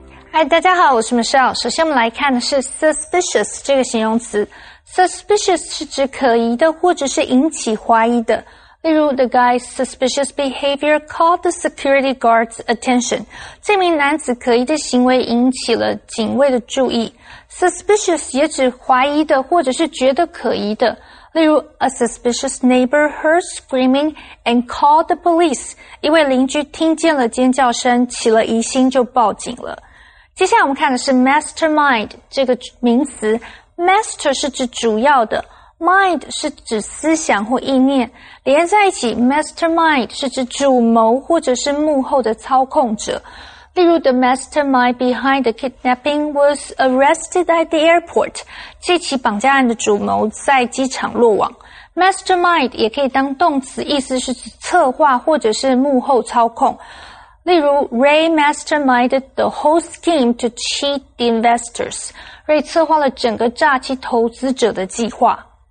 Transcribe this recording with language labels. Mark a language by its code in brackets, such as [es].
[en] Hi, [zh] 大家好，我是 Michelle。首先我们来看的是 suspicious 这个形容词。 Suspicious 是指可疑的或者是引起怀疑的。 [en] 例如 ,the guy's suspicious behavior caught the security guard's attention. [zh] 这名男子可疑的行为引起了警卫的注意。 Suspicious 也指怀疑的或者是觉得可疑的。 [en] 例如 ,a suspicious neighbor heard screaming and called the police. [zh] 一位邻居听见了尖叫声起了疑心就报警了。接下来我们看的是 mastermind, 这个名词。 master 是指主要的。Mind 是指思想或意念，连在一起 ,mastermind 是指主谋或者是幕后的操控者。 [en] 例如 ,the mastermind behind the kidnapping was arrested at the airport. [zh] 这起绑架案的主谋在机场落网。 mastermind 也可以当动词，意思是指策划或者是幕后操控。 [en] 例如 ,Ray masterminded the whole scheme to cheat the investors. [zh] Ray 策划了整个诈欺投资者的计划。